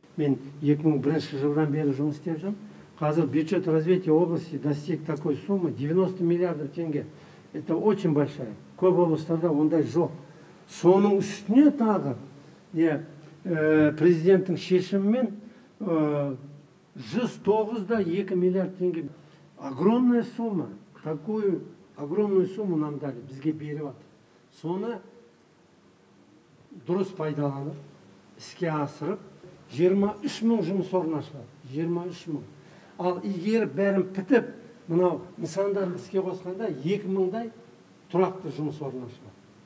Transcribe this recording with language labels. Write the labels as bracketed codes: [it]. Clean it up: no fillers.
[kk] Мен 2001 жылдан бері жұмыс істеп жүрмін. Қазір [ru] бюджет развития области достиг такой суммы 90 миллиард теңге. Это очень большая. [kk] Көп областарда ондай жоқ. Соның үстіне тағы президенттің шешімімен 109 да 2 миллиард теңге. [ru] Огромная сумма, такую огромную сумму нам дали, [kk] бізге беріп атыр. Соны дұрыс пайдаланып, іске асырып, 23 мың жұмыс орны ашылады. 23 мың. Ал егер бәрін бітіп, мынау нысандарды іске қосқанда 2 мыңдай тұрақты жұмыс орны ашылады.